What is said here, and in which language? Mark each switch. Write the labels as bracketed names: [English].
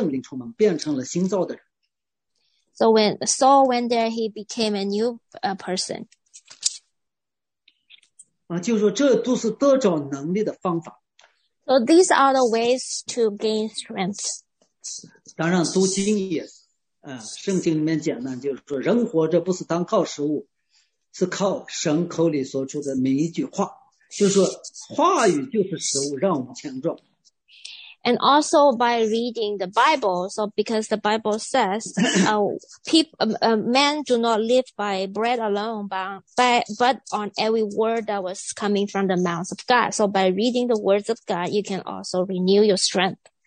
[Chinese] 那扫罗呢去到那边的时候，他就被圣灵充满，变成了新造的人。 [English] So when Saul went there, he became a new person. [Chinese] 啊，就是说这都是得着能力的方法。 [English] So these are the ways to gain strength. [Chinese] 当然，读经也是，圣经里面讲呢，就是说人活着不是单靠食物。是靠神口里所出的每一句话，就是说话语就是食物，让我们强壮。 [English] And also by reading the Bible, so because the Bible says, men do not live by bread alone, but on every word that was coming from the mouth of God. So by reading the words of God, you can also renew your strength.